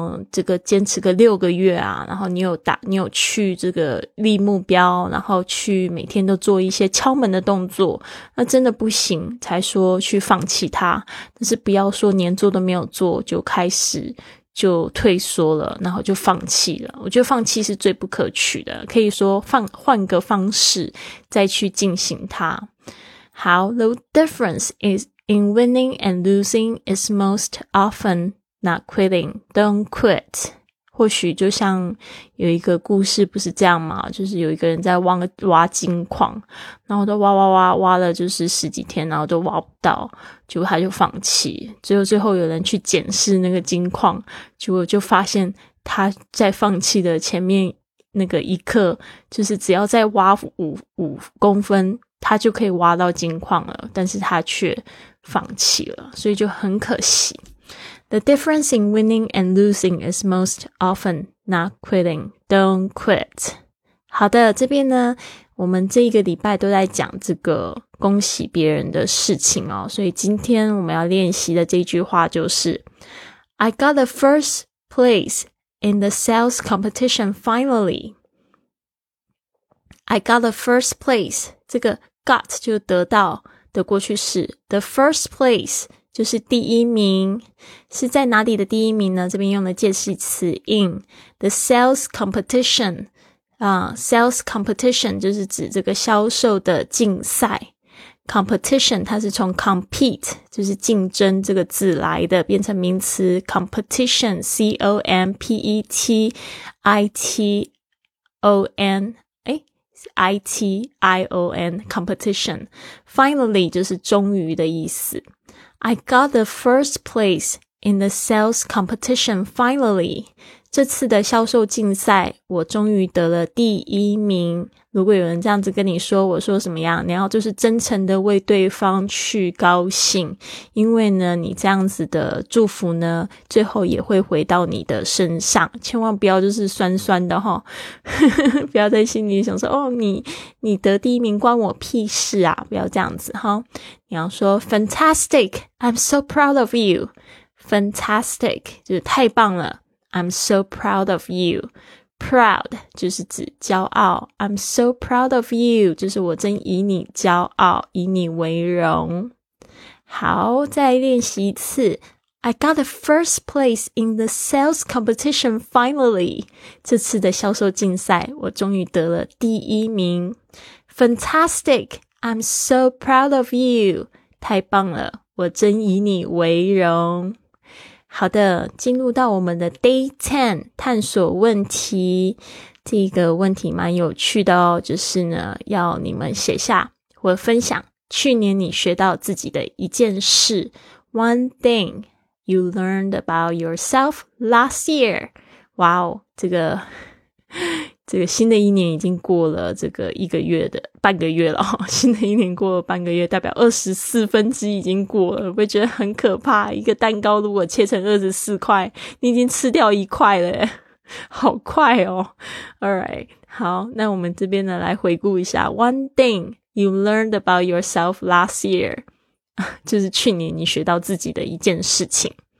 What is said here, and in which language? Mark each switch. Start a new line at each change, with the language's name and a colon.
Chinese: 这个坚持个6个月啊，然后你有去这个立目标，然后去每天都做一些敲门的动作，那真的不行才说去放弃它，但是不要说连做都没有做就开始就退缩了，然后就放弃了。我觉得放弃是最不可取的，可以说换个方式再去进行它。
English: 好， The difference is in winning and losing is most often not quitting. Don't quit.
Chinese: 或许就像有一个故事不是这样吗，就是有一个人在挖金矿，然后都挖挖挖挖了就是十几天，然后都挖不到，结果他就放弃，最后有人去检视那个金矿，结果就发现他在放弃的前面那个一刻，就是只要再挖五公分他就可以挖到金矿了，但是他却放弃了，所以就很可惜。
English: The difference in winning and losing is most often not quitting. Don't quit.
Chinese: 好的，这边呢，我们这一个礼拜都在讲这个恭喜别人的事情哦，所以今天我们要练习的这句话就是
English: I got the first place in the sales competition finally. I got the first place.
Chinese: 这个 got 就得到的过去式。
English: The first place
Chinese: 就是第一名。是在哪里的第一名呢？这边用的介系词
English: in the sales competition.
Chinese: Sales competition 就是指这个销售的竞赛。 Competition 它是从 compete 就是竞争这个字来的，变成名词 competition C-O-M-P-E-T-I-T-O-N I-T-I-O-N competition. Finally 就是终于的意思。
English: I got the first place in the sales competition finally.
Chinese: 这次的销售竞赛我终于得了第一名。如果有人这样子跟你说，我说什么样，然后就是真诚的为对方去高兴，因为呢你这样子的祝福呢最后也会回到你的身上，千万不要就是酸酸的齁、哦、不要在心里想说哦，你得第一名关我屁事啊，不要这样子齁、哦、你要说
English: Fantastic, I'm so proud of you. Fantastic
Chinese: 就是太棒了，
English: I'm so proud of you.
Chinese: Proud 就是指骄傲。
English: I'm so proud of you
Chinese: 就是我真以你骄傲，以你为荣。好，再练习一次。
English: I got the first place in the sales competition finally.
Chinese: 这次的销售竞赛我终于得了第一名。
English: Fantastic! I'm so proud of you.
Chinese: 太棒了，我真以你为荣。好的，进入到我们的 Day 10, 探索问题。这个问题蛮有趣的哦，就是呢，要你们写下或分享去年你学到自己的一件事。
English: One thing you learned about yourself last year.
Chinese: 哇哦，这个新的一年已经过了这个一个月的半个月了，新的一年过了半个月代表24分之已经过了，会觉得很可怕，一个蛋糕如果切成24块你已经吃掉一块了，好快哦。 Alright, 好，那我们这边呢来回顾一下。
English: One thing you learned about yourself last year
Chinese: 就是去年你学到自己的一件事情。